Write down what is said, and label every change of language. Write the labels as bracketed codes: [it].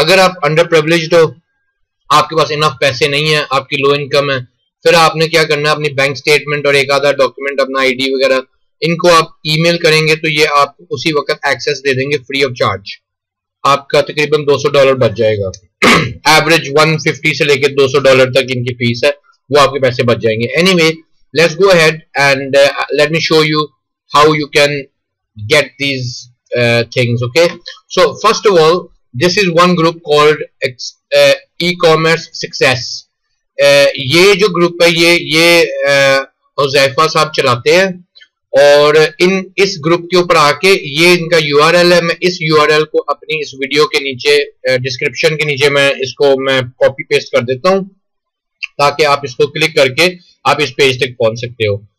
[hi] अगर आप under privileged हो, आपके पास इनफ पैसे नहीं है, आपकी लो इनकम है, फिर आपने क्या करना है, अपनी बैंक स्टेटमेंट और एक आधा डॉक्यूमेंट, अपना आईडी वगैरह, इनको आप ईमेल करेंगे तो ये आप उसी वक्त एक्सेस दे देंगे फ्री ऑफ चार्ज। आपका तकरीबन $200 बच जाएगा, एवरेज 150 से लेकर $200 तक इनकी फीस है, वो आपके पैसे बच जाएंगे। [en] Anyway, let's go ahead and let me show you how you can get these things. Okay, so first of all, this is one group called e-commerce success. [hi] ये जो ग्रुप है ये हुज़ैफ़ा साहब चलाते हैं, और इन इस ग्रुप के ऊपर आके ये इनका URL है। मैं इस URL को अपनी इस वीडियो के नीचे डिस्क्रिप्शन के नीचे मैं कॉपी पेस्ट कर देता हूँ, ताकि आप इसको क्लिक करके आप इस पेज तक पहुंच सकते हो।